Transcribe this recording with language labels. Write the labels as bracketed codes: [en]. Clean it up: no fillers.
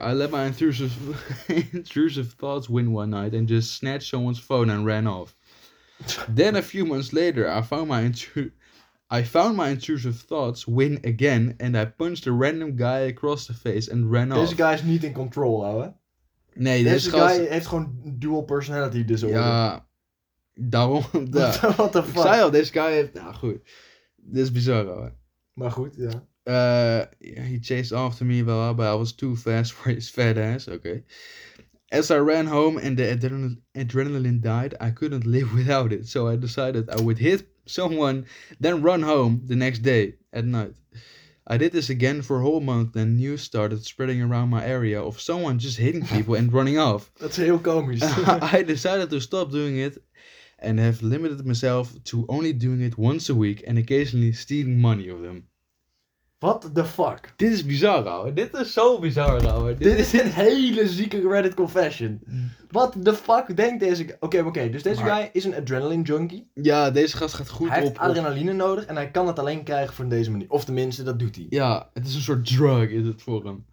[en] I let my intrusive thoughts win one night and just snatched someone's phone and ran off. Then a few months later, I found my intrusive thoughts win again and I punched a random guy across the face and ran off. This guy is not in control, ouwe. [nl] Nee, [en] this guy [nl] heeft gewoon [en] dual personality disorder. [nl] Ja. Daarom. [en] What the fuck? [nl] Ik zei al, [en] this guy [nl] heeft. Nou, goed. Dit is bizar, hoor. Maar goed, ja. [en] He chased after me, well, but I was too fast for his fat ass. Okay. As I ran home and the adrenaline died, I couldn't live without it. So I decided I would hit someone, then run home the next day at night. I did this again for a whole month, then news started spreading around my area of someone just hitting people and running off. [nl] Dat is heel komisch. [en] I decided to stop doing it. And have limited myself to only doing it once a week and occasionally stealing money of them. What the fuck? [nl] Dit is bizar, ouwe. Dit is zo bizar, ouwe. Dit is een hele zieke Reddit confession. [en] What the fuck [nl] denkt deze... Oké. Dus deze guy is een adrenaline junkie. Ja, deze gast gaat goed op... Hij heeft adrenaline nodig en hij kan het alleen krijgen van deze manier. Of tenminste, dat doet hij. Ja, het is een soort drug is het voor hem.